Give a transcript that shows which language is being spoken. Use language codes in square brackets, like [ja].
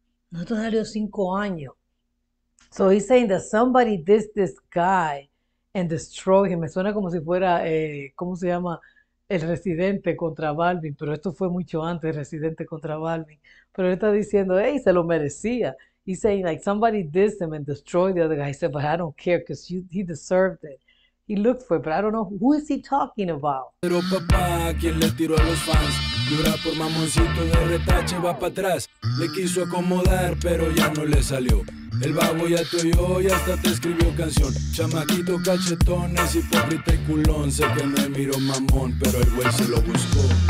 [es] Nosotros salió 5 años. [en] So he's saying that somebody did this guy and destroyed him. [es] Me suena como si fuera, ¿cómo se llama? El Residente contra Balvin. Pero esto fue mucho antes, Residente contra Balvin. Pero él está diciendo, hey, se lo merecía. [en] He's saying like somebody dissed him and destroyed the other guy. He said, but I don't care because he deserved it. He looked for it, but I don't know who is he talking about. [es] Pero papá, ¿quién le tiró a los fans? Llora por mamoncito de retache, va para atrás. Le quiso acomodar, pero ya no le salió. El babo ya te oyó y hasta te escribió canción. Chamaquito, cachetones, hipócrita y culón. Sé que me miró mamón, pero el güey se lo buscó.